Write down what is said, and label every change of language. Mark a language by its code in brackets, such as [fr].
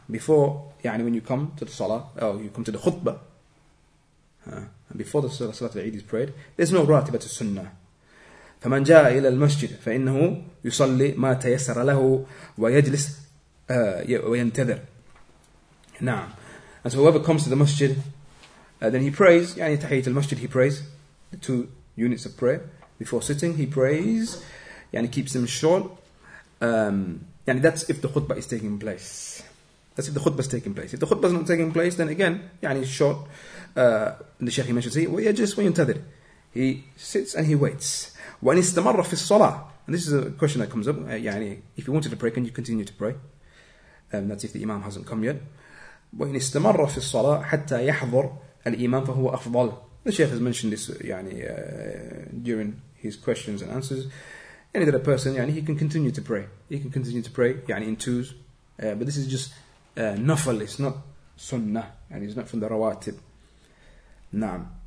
[en] Before, يعني when you come to the صلاة, or you come to the خطبة. Before the صلاة العيد is prayed, there's no راتبة السنة. [ar] فمن جاء إلى المسجد فإنه يصلي ما تيسر له ويجلس وينتظر. نعم. [en] And so whoever comes to the masjid, then he prays. [ar] يعني تحية المسجد [en] he prays. The two units of prayer. Before sitting he prays. يعني keeps them short. يعني that's if the khutbah is taking place. That's if the khutbah is taking place. If the khutbah is not taking place, then again, يعني short. The sheikh he mentions here, [ar] ويجلس وينتظر. [en] He sits and he waits. [ar] وإن استمر في الصلاة. [en] And this is a question that comes up. يعني if you wanted to pray, can you continue to pray? That's if the imam hasn't come yet. [ar] وإن استمر في الصلاة حتى يحضر الإمام فهو أفضل. [en] The sheikh has mentioned this يعني, during his questions and answers. Any other person, يعني, he can continue to pray. He can continue to pray يعني in twos. But this is just nafal. It's not sunnah. يعني it's not from the rawatib. نعم.